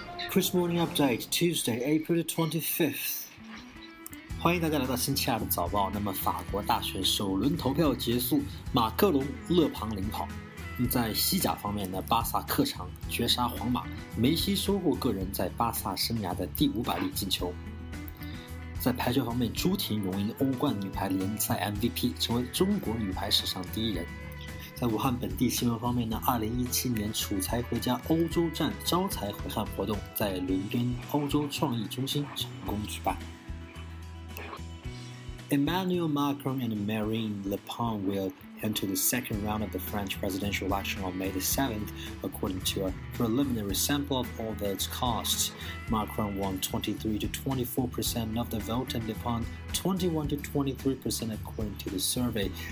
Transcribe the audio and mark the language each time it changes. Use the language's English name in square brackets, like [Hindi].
[English] Chris Morning Update Tuesday, April 25th. [Chinese] 欢迎大家来到星期二的早报。那么法国大选首轮投票结束，马克龙勒庞领跑。在西甲方面呢，巴萨客场绝杀皇马，梅西收获个人在巴萨生涯的第500粒进球。在排球方面，朱婷荣膺欧冠女排联赛 MVP， 成为中国女排史上第一人。在武汉本地新闻方面呢，2017年楚才回家欧洲站招财回汉活动在伦敦欧洲创意中心成功举办。 [English] Emmanuel Macron and Marine Le Pen will enter the second round of the French presidential election on May the 7th, according to a preliminary sample of all votes cast. Macron won 23-24% of the vote and Le Pen 21-23% according to the survey.